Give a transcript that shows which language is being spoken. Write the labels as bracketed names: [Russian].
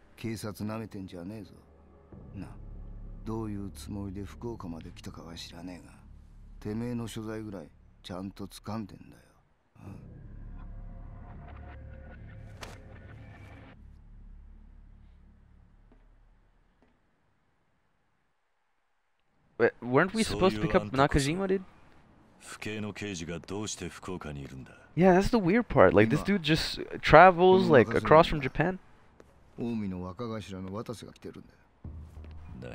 [Japanese] 警察舐めてんじゃねえぞ。な。どういうつもりで福岡まで来たかは知らねえが、てめえの所在ぐらいちゃんと掴んでんだよ。う [English] ん、Wait, weren't we supposed to pick up Nakajima, dude? [Japanese] 府警の刑事がどうして福岡にいるんだ。 [English] Yeah, that's the weird part. Like, this dude just travels, like, across from Japan. [Japanese] 大海の若頭の渡瀬が来てるんだよ。